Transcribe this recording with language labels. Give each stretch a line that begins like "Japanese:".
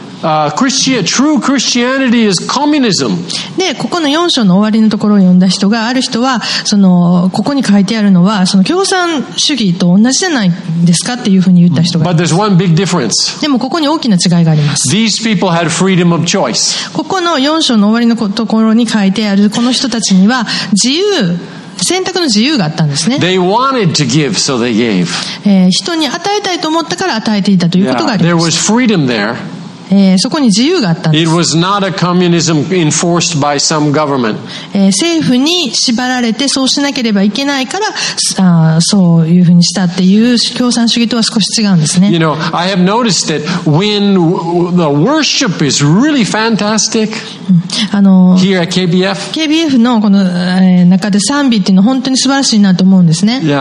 English: True Christianity is communism.
Japanese: で、ここの4章の終わりのところを読んだ人がある人はそのここに書いてあるのはその共産主義と同じじゃないですかっていうふうに言った人がいます。
English: But there's one big difference.
Japanese: でもここに大きな違いがあります。
English: These people had freedom of choice.
Japanese: ここの4章の終わりのところに書いてあるこの人たちには自由選択の自由があったんですね。
English: They wanted to give, so they gave.
Japanese: 人に与えたいと思ったから与えていたということがあります。
English: There was freedom there.
Japanese: そこに自由があったんです。
English: It was not a communism enforced by some government.
Japanese: 政府に縛られてそうしなければいけないから、そういうふうにしたっていう共産主義とは少し違うんですね。
English: You know, I have noticed that when the worship is really fantastic, here at KBF.
Japanese: KBF のこの中で賛美っていうのは本当に素晴らしいなと思うんですね。